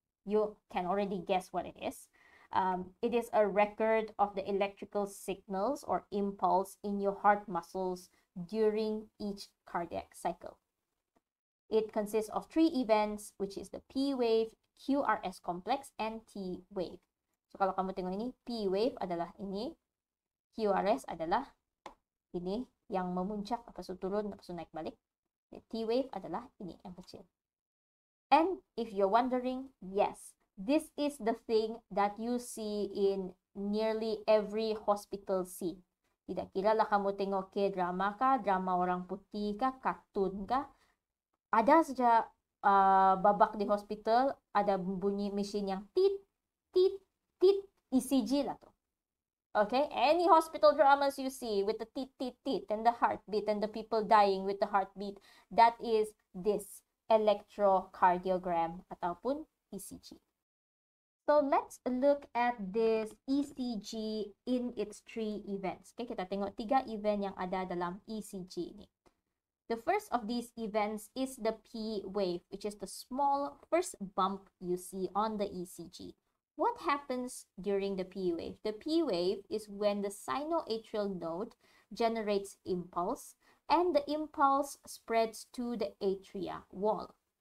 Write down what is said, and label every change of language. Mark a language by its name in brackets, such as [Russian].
[English] You can already guess what it is. It is a record of the electrical signals or impulse in your heart muscles during each cardiac cycle. It consists of three events, which is the P wave, QRS complex, and T wave. [Malay] So, kalau kamu tengok ini, P wave adalah ini, QRS adalah ini yang memuncak, lepas itu turun, lepas itu naik balik. T wave adalah ini yang kecil. [English] And if you're wondering, yes, this is the thing that you see in nearly every hospital scene. [Malay] Tidak kira lah kamu tengok K-drama kah, drama orang putih kah, kartun kah. Ada saja babak di hospital, ada bunyi mesin yang tit, tit, tit, ECG lah tu. [English] Okay, any hospital dramas you see with the tit, tit, tit, and the heartbeat, and the people dying with the heartbeat, that is this electrocardiogram [Malay] ataupun [English] ECG. So let's look at this ECG in its three events. [Malay] Okay, kita tengok tiga event yang ada dalam ECG ini. [English] The first of these events is the P wave, which is the small first bump you see on the ECG. What happens during the P wave? The P wave is when the sinoatrial node generates impulse, and the impulse spreads to the atria wall.